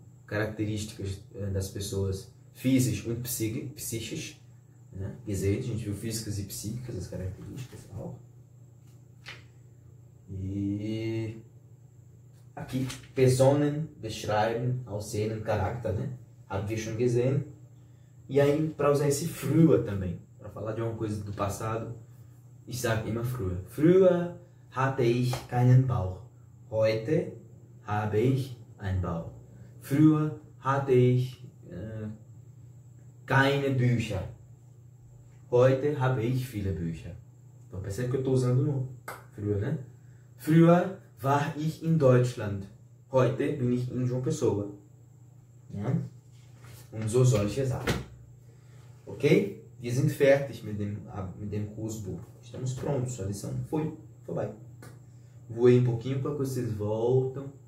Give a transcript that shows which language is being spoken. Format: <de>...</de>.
<pt>Características das pessoas,</pt> <de>physisch und psychisch. Gesehen,</de> <pt>né? A gente viu físicas e psíquicas, as características tal. E aqui,</pt> <de>Personen beschreiben, aussehen, Charakter,</de> <pt>né?</pt> <de>Haben wir schon gesehen.</de> <pt>E aí, para usar esse früher também, para falar de alguma coisa do passado,</pt> <de>ich sage immer früher. Früher hatte ich keinen Bauch. Heute habe ich einen Bauch. Früher hatte ich keine Bücher. Heute habe ich viele Bücher.</de> <pt>Então, percebe que eu estou usando no früher, né?</pt> <de>Früher war ich in Deutschland. Heute bin ich in João Pessoa. Ja? Und so solche Sachen. Ok? Wir sind fertig mit dem Kursbuch.</de> <pt>Estamos prontos. A lição foi. Foi, vai. Voei um pouquinho para que vocês voltam.</pt>